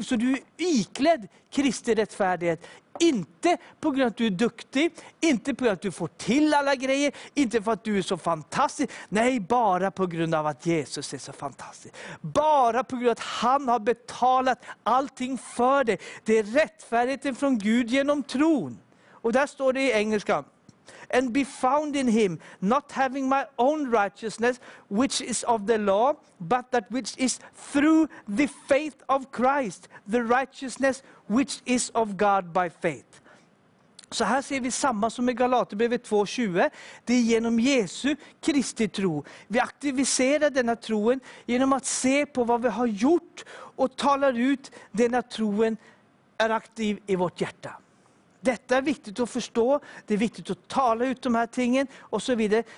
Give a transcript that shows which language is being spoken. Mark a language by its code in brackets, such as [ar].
[sv] Så du är iklädd Kristi rättfärdighet. Inte på grund av att du är duktig, inte på grund av att du får till alla grejer, inte för att du är så fantastisk. Nej, bara på grund av att Jesus är så fantastisk. Bara på grund av att han har betalat allting för dig. Det är rättfärdigheten från Gud genom tron. Och där står det i engelska. [en] And be found in him, not having my own righteousness, which is of the law, but that which is through the faith of Christ, the righteousness which is of God by faith. [sv] Så här ser vi samma som i Galaterbrevet 2:20. Det är genom Jesu Kristi tro. Vi aktiviserar denna troen genom att se på vad vi har gjort och talar ut denna troen är aktiv i vårt hjärta. Detta är viktigt att förstå, det är viktigt att tala ut de här tingen och så vidare.